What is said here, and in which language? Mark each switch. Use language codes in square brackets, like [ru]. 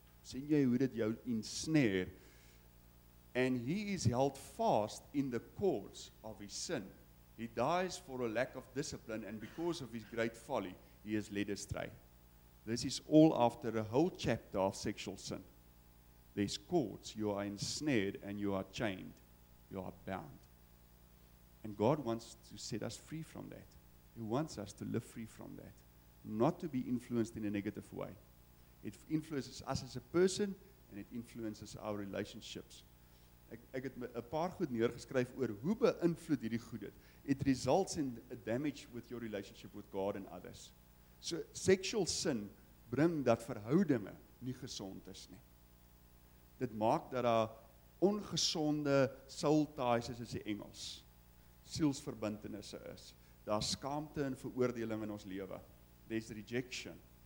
[af] Sien jy hoe dit jou ensnare? [en] And he is held fast in the cords of his sin. He dies for a lack of discipline, and because of his great folly, he is led astray. This is all after a whole chapter of sexual sin. There's cords. You are ensnared and you are chained. You are bound. And God wants to set us free from that. He wants us to live free from that. Not to be influenced in a negative way. It influences us as a person and it influences our relationships. [af] Ek het 'n paar goed neergeskryf oor hoe beïnvloed hierdie goed dit. [en] It results in a damage with your relationship with God and others. [af] So, [en] sexual sin [af] bring dat verhoudinge nie gesond is nie. Dit maak dat daar ongesonde soul ties is, as die Engels. Sielsverbintenisse is. Daar skaamte en veroordeling in ons lewe. [en] There's rejection.